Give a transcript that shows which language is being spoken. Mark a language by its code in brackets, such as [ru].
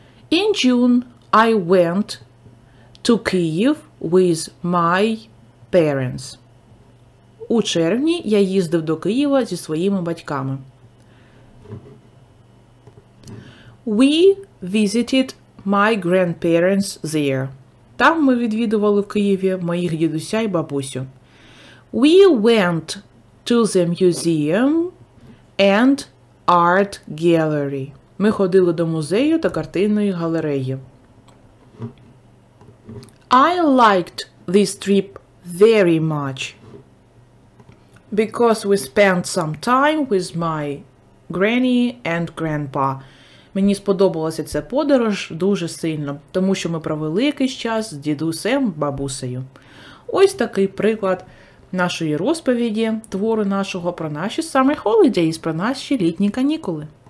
[en] In June I went to Kyiv with my parents. [uk] У червні я їздив до Києва зі своїми батьками. [en] We visited my grandparents there. [uk] Там ми відвідували в Києві моїх дідуся і бабусю. [en] We went to the museum and art gallery. [uk] Ми ходили до музею та картинної галереї. [en] I liked this trip very much because we spent some time with my granny and grandpa. [uk] Мені сподобалася ця подорож дуже сильно, тому що ми провели якийсь час з дідусем, бабусею. Ось такий приклад нашої розповіді, твору нашого про наші [en] summer holidays, [uk] про наші літні канікули.